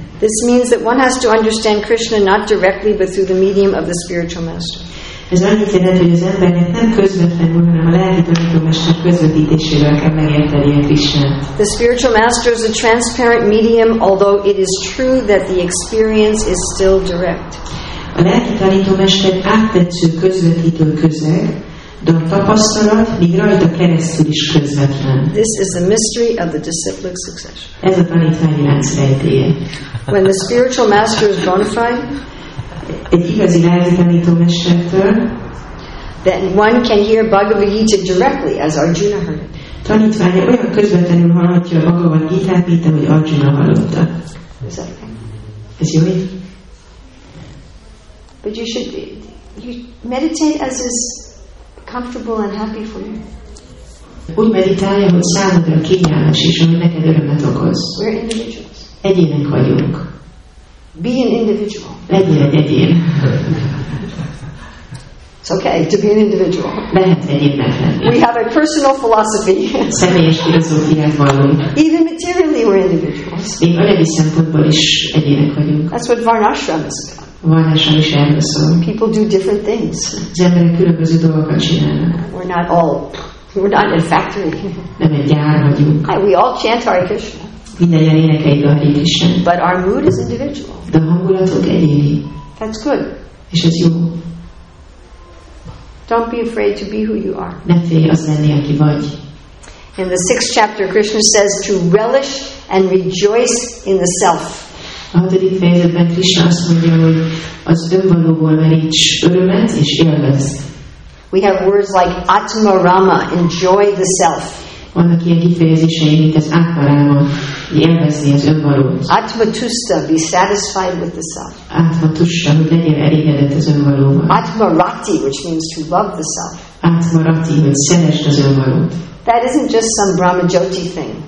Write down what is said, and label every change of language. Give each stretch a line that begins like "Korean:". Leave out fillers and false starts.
English: This means that one has to understand Krishna not directly but through the medium of the spiritual master.
Hungarian: Ez annyit jelent, hogy az embernek nem közvetlenül, hanem a lelki tanítómester közvetítésével kell megérteni a Krisnát.
English: The spiritual master is a transparent medium, although it is true that the experience is still direct.
Hungarian: A lelki tanítómester áttetsző közvetítő közeg, De a tapasztalat még rajta keresztül is közvetlen.
English: This is the mystery of the disciplic succession.
Hungarian: Ez a tanítványi lánc rejtélye.
English: When the spiritual master is bona fide,
Hungarian: egy igazi lelki tanítómestertől,
English: then one can hear Bhagavad Gita directly, as Arjuna heard it.
Hungarian: Tanítványa olyan közvetlenül hallhatja a Bhagavad Gita, mint ahogy Arjuna hallotta. Ez jó?
English: But you should meditate as is comfortable and happy for you.
Hungarian: Úgy meditálja, hogy számodra kényelmes és ami neked örömet okoz.
English: We're individuals.
Hungarian: Egyének vagyunk.
English: Be an individual.
Hungarian: Legyél egy egyén.
English: It's okay to be an individual.
Hungarian: Lehet egyénnek lenni.
English: We have a personal philosophy.
Hungarian: Személyes filozófiát vallunk.
English: Even materially we're individuals.
Hungarian: Még anyagi szempontból is egyének vagyunk.
English: That's what Varnashram is about.
Hungarian: Varnashram is erről szól.
English: People do different things.
Hungarian: Az emberek különböző dolgokat csinálnak.
English: We're not all. We're not in a factory.
Hungarian: Nem egy gyár vagyunk.
English: We all chant Hare Krishna.
Hungarian: Mindegyen énekeljük a Hare Krishna.
English: But our mood is individual.
Hungarian: De hangulatunk egyéni.
English: That's good.
Hungarian: És ez jó.
English: Don't be afraid to be who you are.
Hungarian: Ne félj az lenni, aki vagy.
English: In the sixth chapter, Krishna says to relish and rejoice in the self.
Hungarian: A hatodik fejezetben Krishna azt mondja, hogy az önvalóból meríts örömet és élvezd.
English: We have words like atmarama, enjoy the self.
Hungarian: Vannak ilyen kifejezései, mint az atmarama, élvezni az önvalót.
English: Atmatusta, be satisfied with the self.
Hungarian: Atmatusta, hogy legyél elégedett az önvalóval.
English: Atmarati, which means to love the self.
Hungarian: Atmarati, hogy szeresd az önvalót.
English: That isn't just some Brahmajyoti thing.